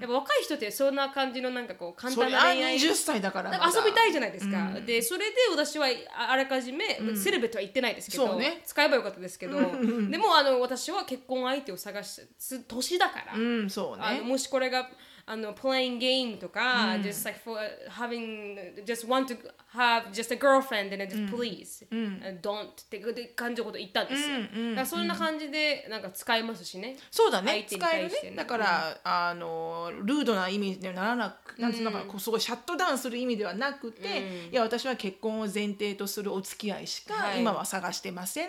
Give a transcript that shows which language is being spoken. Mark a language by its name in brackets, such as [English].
[Japanese] やっぱ若い人ってそんな感じのなんかこう簡単な恋愛、それ 20歳だからまだ遊びたいじゃないですか、うん、でそれで私はあらかじめ、うん、セレベとは言ってないですけど、そう、ね、使えばよかったですけど、うん、でもあの私は結婚相手を探す年だから、うん、そうね、あのもしこれがあの [English] playing game [Japanese] とか、うん、 [English] just like for having just want to have just a girlfriend and just please、 [Japanese] うん、 don't って感じのこと言ったんですよ、うんうん、だからそんな感じでなんか使えますしね、そうだね、使えるね、だから、うん、あのルードな意味にはならなく、なんていうのかな、うん、すごいシャットダウンする意味ではなくて、うん、いや私は結婚を前提とするお付き合いしか今は探してません、